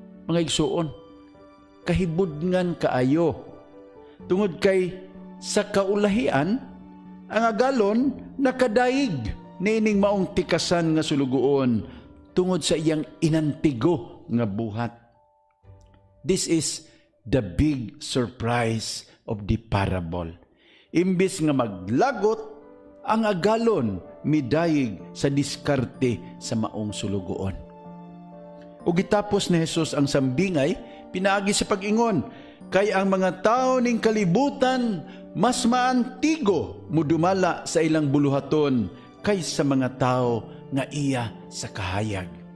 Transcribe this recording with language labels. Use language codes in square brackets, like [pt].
[ceb] Mga igsuon, kahibudngan kaayo. Tungod kay sa kaulahian, ang agalon nakadaig nining maong tikasan nga sulugoon tungod sa iyang inantigo nga buhat. [en] This is the big surprise of the parable. [ceb] Imbis nga maglagot, ang agalon midayig sa diskarte sa maong sulugoon. O gitapos ni Jesus ang sambingay, pinaagi sa pag-ingon, kay ang mga tao ning kalibutan mas maantigo mudumala sa ilang buluhaton kaysa sa mga tao nga iya sa kahayag.